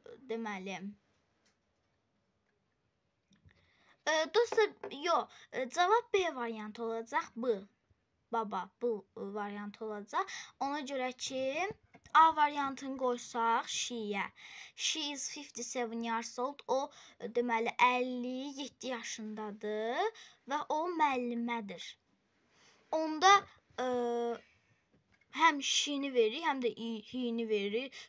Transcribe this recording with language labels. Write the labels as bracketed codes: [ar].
[az] Deməli dostlar, yox, cavab B variantı olacaq. B. Baba, bu variantı olacaq. Ona görə ki A variantını qoysaq she-yə. [en] She is 57 years old. [az] O deməli 57 yaşındadır və o müəllimədir. Onda həm she-ni verir, həm də he-ni verir.